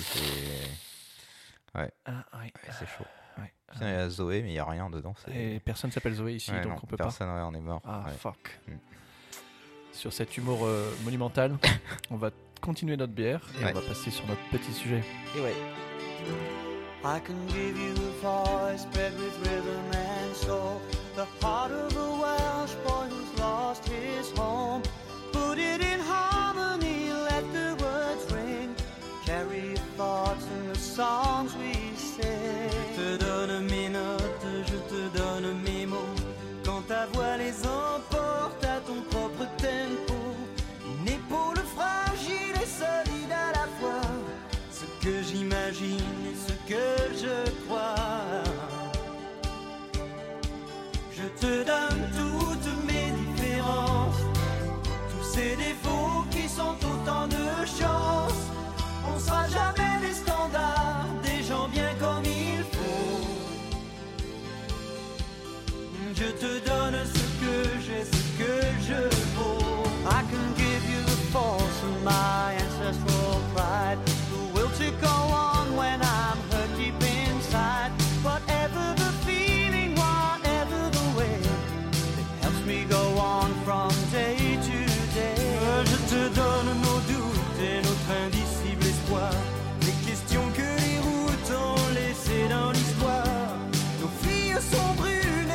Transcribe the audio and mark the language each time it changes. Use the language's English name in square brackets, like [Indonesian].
[French] C'est... Ouais. Ouais. C'est chaud. Ouais. Il y a Zoé, mais il n'y a rien dedans. Et personne s'appelle Zoé ici, ouais, donc non, on peut personne, pas. Personne, on est mort. Ah, ouais. Fuck. Sur cet humour monumental, on va continuer notre bière et on va passer sur notre petit sujet. Et ouais. [English] I can give you a voice bred with rhythm and soul. The heart of a Welsh boy who's lost his home. Put it in harmony, let the words ring. Carry your thoughts in the songs we sing. [French] Je te donne mes notes, je te donne mes mots. Quand ta voix les emporte à ton propre tempo. Une épaule fragile et solide à la fois. Ce que j'imagine et ce que je crois. Je te donne toutes mes différences. Tous ces défauts qui sont autant de chances. On sera jamais des standards, des gens bien comme ils. Je te donne ce que j'ai, ce que je vaux. [English] I can give you the force of my ancestral pride. The will to go on when I'm hurt deep inside. Whatever the feeling, whatever the way, it helps me go on from day to day. [French] Je te donne nos doutes et notre indicible espoir. Les questions que les routes ont laissées dans l'histoire. Nos filles sont brûlées.